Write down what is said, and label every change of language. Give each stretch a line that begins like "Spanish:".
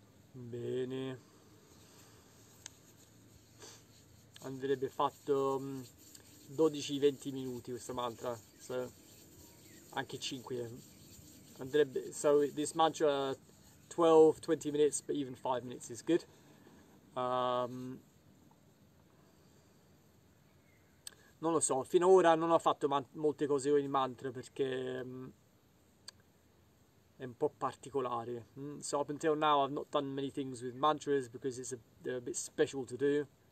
Italian: Bene, andrebbe fatto 12-20 minuti questo mantra, so, anche 5. Andrebbe,
English: so this mantra 12-20 minutes, but even 5 minutes is good.
Italian: Non lo so, finora non ho fatto molte cose con il mantra perché è un po' particolare.
English: So up until now I've not done many things with mantras because it's a bit special to do.